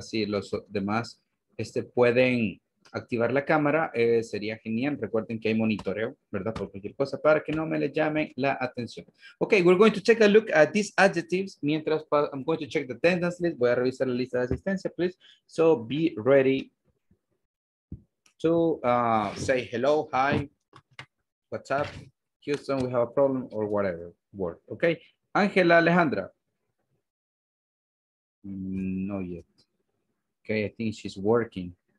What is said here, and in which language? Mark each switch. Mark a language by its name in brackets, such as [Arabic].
[Spanish] Si los demás pueden activar la cámara, sería genial. Recuerden que hay monitoreo, ¿verdad? Por cualquier cosa, para que no me le llame la atención. [English] Okay, we're going to take a look at these adjectives. Mientras, I'm going to check the attendance list. [Spanish] Voy a revisar la lista de asistencia, please. [English] So, be ready to say hello, hi, what's up, Houston, we have a problem, or whatever word, okay? Angela Alejandra. No yet. Okay, I think she's working.